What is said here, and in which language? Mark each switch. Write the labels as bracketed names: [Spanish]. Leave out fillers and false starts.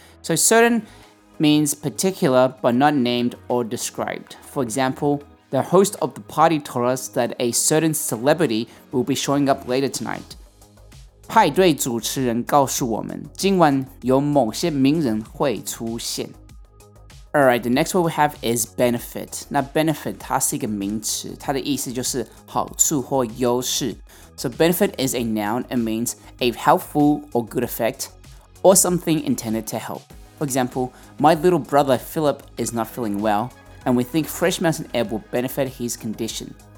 [English] So certain means particular but not named or described. For example, the host of the party told us that a certain celebrity will be showing up later tonight. [Chinese] 派对主持人告诉我们今晚有某些名人会出现。 [English] Alright, the next word we have is benefit. [Chinese] 那 benefit 它是一个名词它的意思就是好处或优势 [English] So benefit is a noun and means a helpful or good effect or something intended to help. For example, my little brother Philip is not feeling well and we think fresh mountain air will benefit his condition.